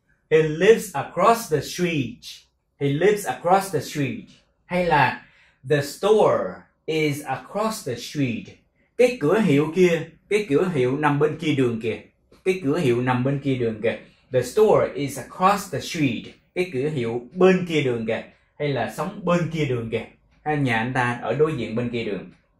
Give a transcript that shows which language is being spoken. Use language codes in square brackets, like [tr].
[en] He lives across the street. He lives across the street. [vi] Hay là [en] the store is across the street. [vi] Cái cửa hiệu kia, cái cửa hiệu nằm bên kia đường kìa. Cái cửa hiệu nằm bên kia đường kìa. [en] The store is across the street. [vi] Cái cửa hiệu bên kia đường kìa. Hay là sống bên kia đường kìa. Hay nhà anh ta ở đối diện bên kia đường.